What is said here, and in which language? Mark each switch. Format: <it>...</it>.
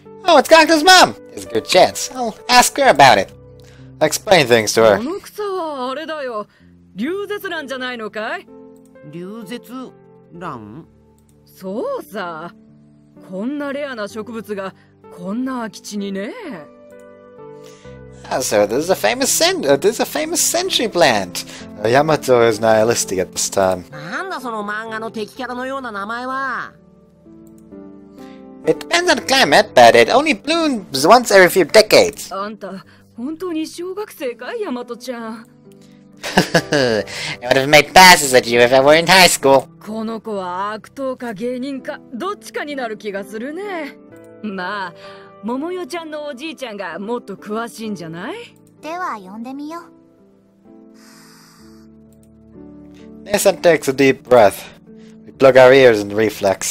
<en>Oh, it's Gakuto's mom! There's a good chance. I'll ask her about it. I'll explain things to her.</en> <ja>この草はあれだよ。流絶乱じゃないのかい？流絶乱？そうさ。こんなレアな植物がこんな空き地にね。</ja> <en>Ah, so this is a famous century plant. Yamato is nihilistic at this time.</en> <ja>なんだその漫画の敵キャラのような名前は。</ja> <en>It depends on the climate, but it only blooms once every few decades.</en> <ja>あんた本当に小学生かい、ヤマトちゃん。</ja> <en>I would have made passes at you if I were in high school.</en> <ja>この子は悪党か芸人かどっちかになる気がするね。まあ、桃代ちゃんのおじいちゃんがもっと詳しいんじゃない？では呼んでみよう。</ja> <en>Nesan takes a deep breath. We plug our ears in reflex.</en>